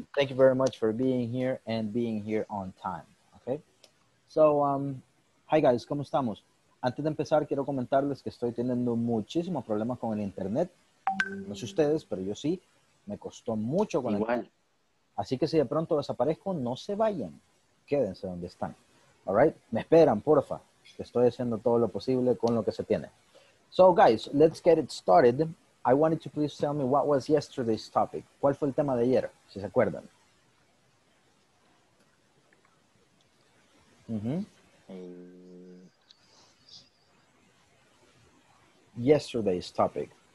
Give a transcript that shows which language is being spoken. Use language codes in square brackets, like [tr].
[en] Thank you very much for being here and being here on time. Okay. So, hi guys, ¿cómo estamos? [es] Antes de empezar, quiero comentarles que estoy teniendo muchísimos problemas con el internet. No sé ustedes, pero yo sí. Me costó mucho con igual. El internet. Así que si de pronto desaparezco, no se vayan. Quédense donde están. All right. Me esperan, porfa. Estoy haciendo todo lo posible con lo que se tiene. [en] So, guys, let's get it started. I wanted to please tell me what was yesterday's topic. [es] ¿Cuál fue el tema de ayer, si se acuerdan? [en] Yesterday's topic.